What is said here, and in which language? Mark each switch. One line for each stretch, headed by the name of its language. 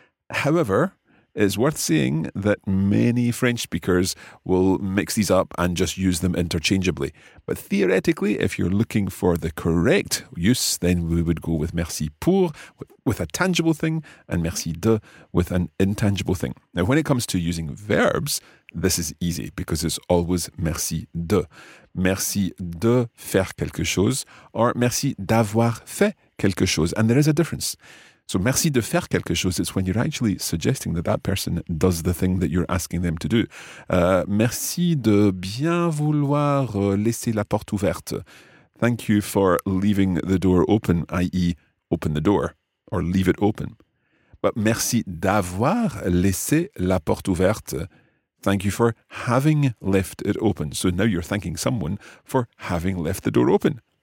English: However, it's worth saying that many French speakers will mix these up and just use them interchangeably. But theoretically, if you're looking for the correct use, then we would go with merci pour with a tangible thing and merci de with an intangible thing. Now, when it comes to using verbs, this is easy because it's always merci de.
French: Merci de faire quelque chose or merci d'avoir fait quelque chose.
English: And there is a difference. So
French: merci de faire quelque chose,
English: it's when you're actually suggesting that that person does the thing that you're asking them to do.
French: Merci de bien vouloir laisser la porte ouverte.
English: Thank you for leaving the door open, i.e. open the door or leave it open. But
French: merci d'avoir laissé la porte ouverte.
English: Thank you for having left it open. So now you're thanking someone for having left the door open.